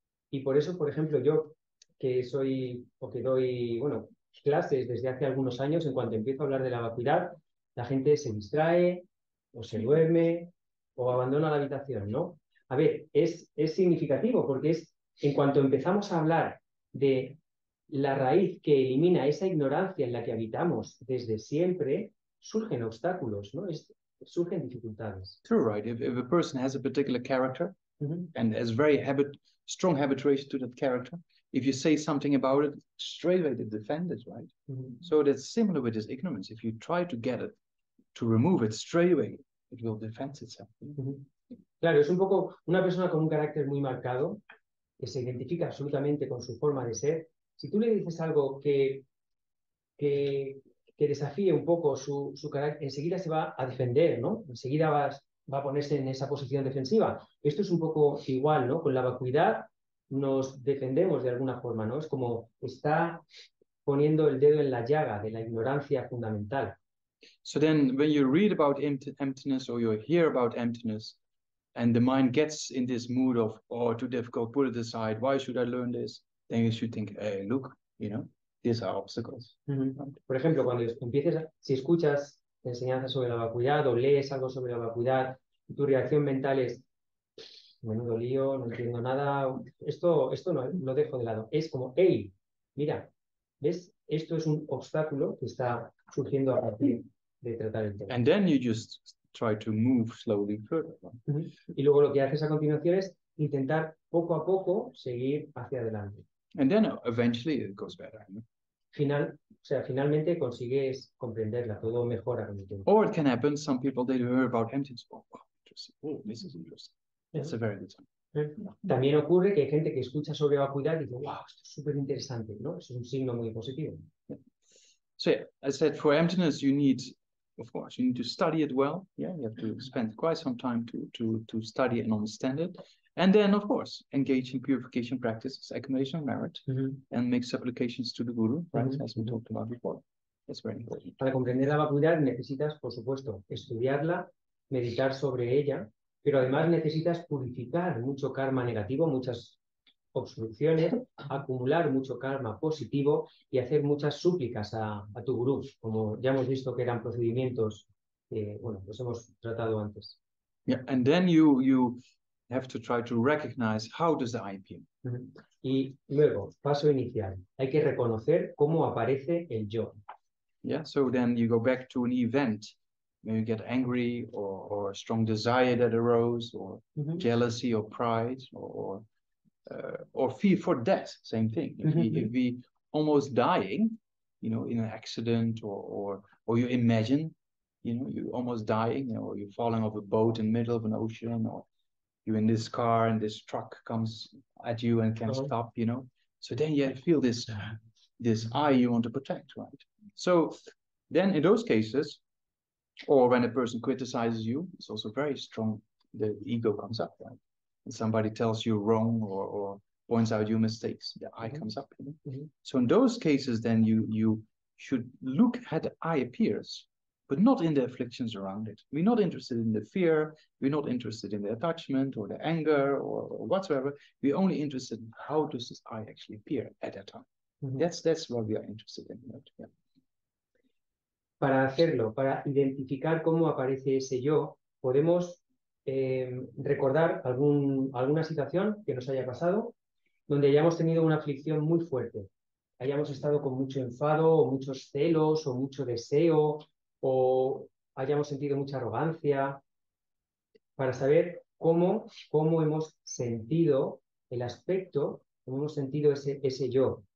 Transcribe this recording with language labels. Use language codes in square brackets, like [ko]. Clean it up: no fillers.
[es] Y por eso, por ejemplo, yo, que soy, o que doy, bueno, clases desde hace algunos años, en cuanto empiezo a hablar de la vacuidad, la gente se distrae, o se duerme, o abandona la habitación, ¿no? A ver, es significativo, porque es, en cuanto empezamos a hablar de la raíz que elimina esa ignorancia en la que habitamos desde siempre, surgen obstáculos, ¿no? Surgen dificultades. [en] True, right. If a person has a particular character, mm-hmm. and has very strong habit related to that character, if you say something about it, straight away they defend it, right? Mm-hmm. So that's similar with this ignorance. If you try to get it, to remove it straight away, it will defend itself. Mm-hmm. [es] Claro, es un poco una persona con un carácter muy marcado, que se identifica absolutamente con su forma de ser. Si tú le dices algo que desafíe un poco su carácter, enseguida se va a defender, ¿no? Enseguida vas, va a ponerse en esa posición defensiva. Esto es un poco igual, ¿no? Con la vacuidad nos defendemos de alguna forma, ¿no? Es como está poniendo el dedo en la llaga de la ignorancia fundamental. [en] So then when you read about emptiness or you hear about emptiness and the mind gets in this mood of, oh, too difficult, put it aside, why should I learn this? Then you should think, hey, look, you know, these are obstacles. Mm-hmm. [es] Por ejemplo, cuando empieces, si escuchas enseñanzas sobre la vacuidad o lees algo sobre la vacuidad, tu reacción mental es, menudo lío, no entiendo nada, esto no lo dejo de lado. Es como, hey, mira, ¿ves? Esto es un obstáculo que está surgiendo a partir de tratar el tema. [en] And then you just try to move slowly further. Mm-hmm. [es] Y luego lo que haces a continuación es intentar poco a poco seguir hacia adelante. [en] And then eventually it goes better. No? [es] Finalmente consigues comprenderla, todo mejora con el tiempo. [en] Or it can happen, some people they hear about emptiness. Oh, wow, interesting. Oh, this is interesting. That's a very good time. También ocurre que hay gente que escucha sobre vacuidad y dice, wow, esto es súper interesante, ¿no? Es un signo muy positivo. So, yeah, I said, for emptiness, you need, of course, you need to study it well. Yeah, you have to spend quite some time to study and understand it. And then, of course, engage in purification practices, accumulation of merit, mm-hmm. and make supplications to the guru, right, mm-hmm. as we talked about before. That's very important. [es] Para comprender la vacuidad necesitas, por supuesto, estudiarla, meditar sobre ella, pero además necesitas purificar mucho karma negativo, muchas obstrucciones, acumular mucho karma positivo y hacer muchas súplicas a tu gurú, como ya hemos visto que eran procedimientos que, bueno, los hemos tratado antes. [en] Yeah, and then you have to try to recognize how does the I appear. [es] Y luego, paso inicial, hay que reconocer cómo aparece el yo. [en] Yeah, so then you go back to an event. Maybe get angry or a strong desire that arose or mm-hmm. jealousy or pride or fear for death, same thing. If we almost dying, you know, in an accident or you imagine, you know, you almost dying, you know, or you're falling off a boat in the middle of an ocean, or you're in this car and this truck comes at you and can't stop, you know. So then you feel this eye you want to protect, right? So then in those cases, or when a person criticizes you, it's also very strong. The ego comes up, right? And somebody tells you wrong or points out your mistakes, the eye comes up. You know? Mm-hmm. So in those cases, then you should look how the eye appears, but not in the afflictions around it. We're not interested in the fear. We're not interested in the attachment or the anger or whatsoever. We're only interested in how does this eye actually appear at that time. Mm-hmm. That's what we are interested in. Right? Yeah. [es] Para hacerlo, para identificar cómo aparece ese yo, podemos recordar alguna situación que nos haya pasado donde hayamos tenido una aflicción muy fuerte, hayamos estado con mucho enfado o muchos celos o mucho deseo o hayamos sentido mucha arrogancia, para saber cómo hemos sentido el aspecto, cómo hemos sentido ese yo.